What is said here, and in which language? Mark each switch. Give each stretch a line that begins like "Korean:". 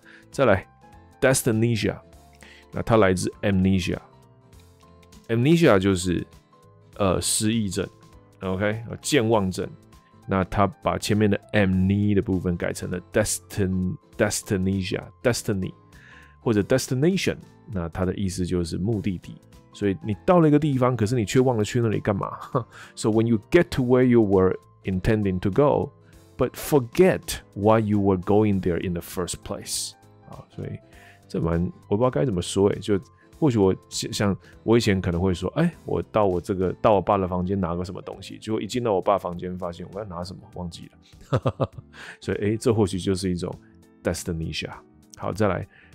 Chinese: 再来 ，dystonisia， 那它来自 amnesia， amnesia 就是失忆症 ，OK， 健忘症。那它把前面的 amne 的部分改成了 dystonisia， destiny。或者 destination， 那它的意思就是目的地。所以你到了一个地方，可是你却忘了去那里干嘛。
English: So when you get to where you were intending to go, but forget why you were going there in the first place。
Chinese: 好，所以这蛮我不知道该怎么说，就或许我像我以前可能会说，哎，我到我这个到我爸的房间拿个什么东西，结果一进到我爸房间，发现我要拿什么忘记了。所以哎，这或许就是一种 destination。好，再来。